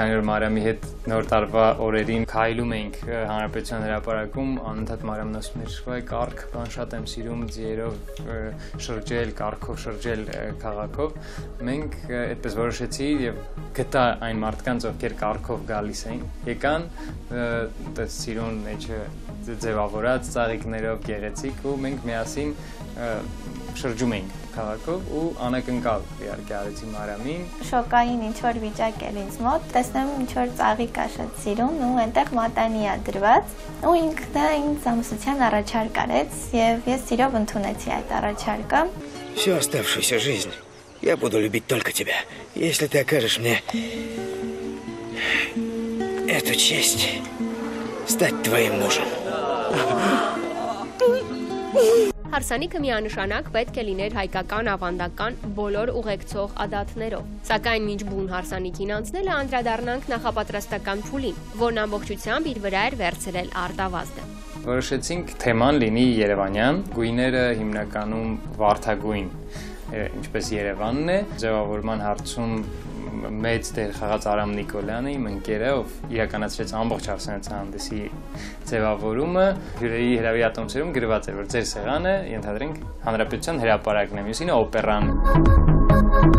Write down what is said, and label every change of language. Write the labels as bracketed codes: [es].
[hy] Մարիամի հետ նոր տարվա օրերին քայլում էինք Հանրապետության հրապարակում, անընդհատ Մարիամն ասում էր, «Վայ, կարգ, բան շատ եմ սիրում ձիերով շրջել, կարգով շրջել քաղաքով»։ Մենք այդպես որոշեցի և գտա այն մարդկանց, ովքեր կարգով գալիս էին, եկան, այդպես սիրուն մեջը ձևավորած, ծաղիկներով գեղեցիկ, ու մենք միասին շրջում էինք քաղաքով ու անակնկալ իհարկե արեցի Մարիամին։ Շոկային ինչ-որ վիճակ էր ինձ մոտ, տեսնեմ ինչ-որ ծաղիկ է շատ սիրուն ու այնտեղ մատանի է դրված ու ինքնը ինձ ամուսնության առաջարկ արեց և ես սիրով ընդունեցի այդ առաջարկը։ [ru] Всю оставшуюся жизнь я буду любить только тебя, если ты окажешь мне эту честь стать твоим мужем. [hy] Հարսանիքը միանշանակ պետք է լիներ հայկական ավանդական բոլոր ուղեկցող ադաթներով, սակայն մինչ բուն հարսանիքին անցնելը անդրադառնանք նախապատրաստական փուլին, որն ամբողջությամբ իր վրա էր վերցրել Արտավազդը։ Որոշեցինք թեման լինի երևանյան, գույները հիմնականում վարդագույն, ինչպես Երևանն է, ձևավորման հարցում մեծ դեր խաղաց Արամ Նիկոլյանը, իմ ընկերը, ով իրականացրեց ամբողջ հարսանեցան հանդեսի ձևավորումը, հյուրերի հրավի ատոմսերում գրված էր, որ ձեր սեղանը, ենթադրենք, Հանրապետության հրապարակն է, մյուսինը օպերան։